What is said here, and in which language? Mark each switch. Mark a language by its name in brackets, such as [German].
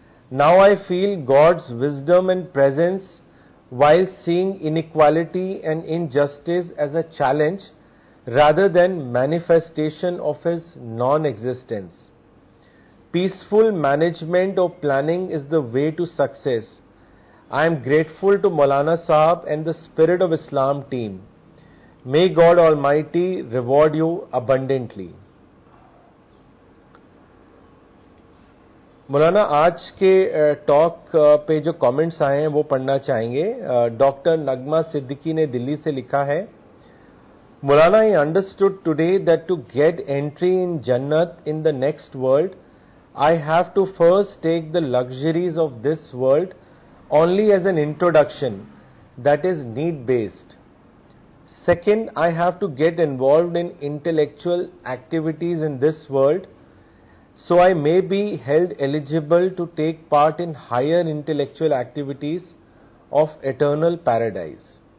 [English] Now I feel God's wisdom and presence while seeing inequality and injustice as a challenge rather than manifestation of his non-existence. Peaceful management or planning is the way to success. I am grateful to Maulana Sahab and the Spirit of Islam team. May God Almighty reward you abundantly. [Hindi] मौलाना आज के talk पे जो comments आए हैं वो पढ़ना चाहेंगे. Doctor नगमा सिद्दीकी ने दिल्ली से लिखा है, [English] Maulana I understood today that to get entry in जन्नत in the next world I have to first take the luxuries of this world only as an introduction that is need based. Second I have to get involve in intellectual activities in this world so I may be held eligible to take part in higher intellectual activities of eternal paradise.